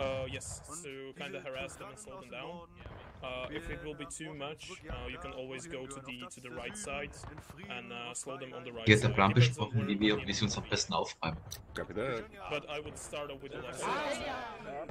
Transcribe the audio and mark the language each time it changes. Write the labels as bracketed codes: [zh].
[en] Yes, to kind of harass them and slow them down. If it will be too much, you can always go to the right side and slow them on the right. [de] Hier ist der Plan besprochen, wie sie uns am besten aufreiben. [en] But I would start off with the left side.